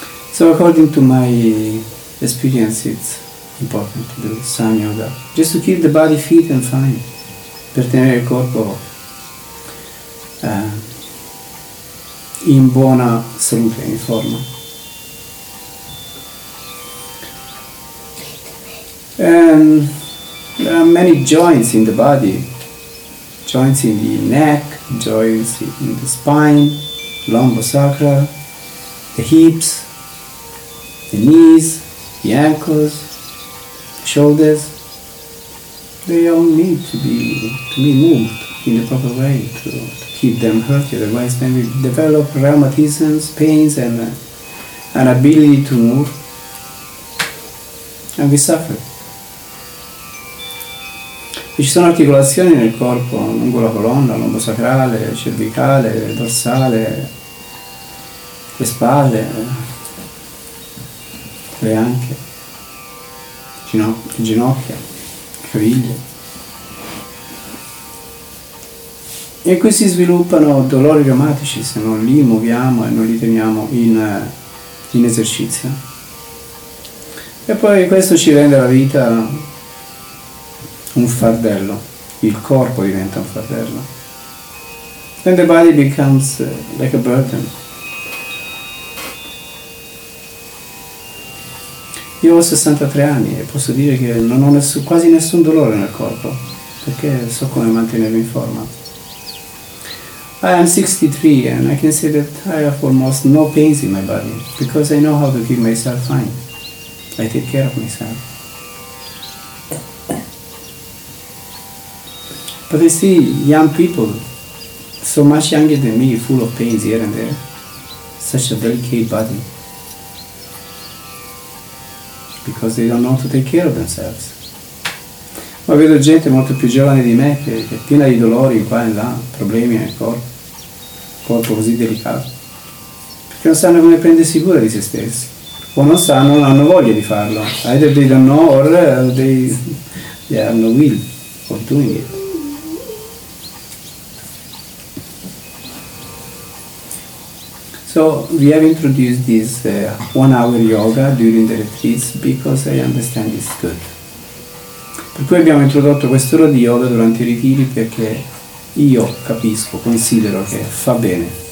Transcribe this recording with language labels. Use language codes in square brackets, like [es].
[en] So according to my experience, it's important to do some yoga, just to keep the body fit and fine, [it] per tenere il corpo in buona salute, in forma. [en] And there are many joints in the body, joints in the neck, joints in the spine, lumbar sacra, the hips, the knees, the ankles, shoulders. They all need to be moved in the proper way to keep them healthy, otherwise then we develop rheumatisms, pains, and an ability to move, and we suffer. [it] Ci sono articolazioni nel corpo, lungo la colonna, lombo sacrale, cervicale, dorsale, le spalle, le anche, ginocchia, caviglie. E qui si sviluppano dolori reumatici se non li muoviamo e non li teniamo in esercizio. E poi questo ci rende la vita un fardello, il corpo diventa un fardello. [en] Then the body becomes like a burden. [it] Io ho 63 anni e posso dire che non ho quasi nessun dolore nel corpo, perché so come mantenermi in forma. [en] I am 63 and I can say that I have almost no pains in my body because I know how to keep myself fine. I take care of myself. But I see young people, so much younger than me, full of pains here and there. Such a delicate body. Because they don't know how to take care of themselves. [it] Ma vedo gente molto più giovane di me che è piena di dolori qua e là, problemi nel corpo. Corpo così delicato, perché non sanno come prendersi cura di se stessi, o non sanno, non hanno voglia di farlo. [en] Either they don't know or they have no will of doing it. So we have introduced this 1 hour yoga during the retreats because I understand it's good. [it] Per cui abbiamo introdotto quest'ora di yoga durante i ritiri perché io capisco, considero che fa bene.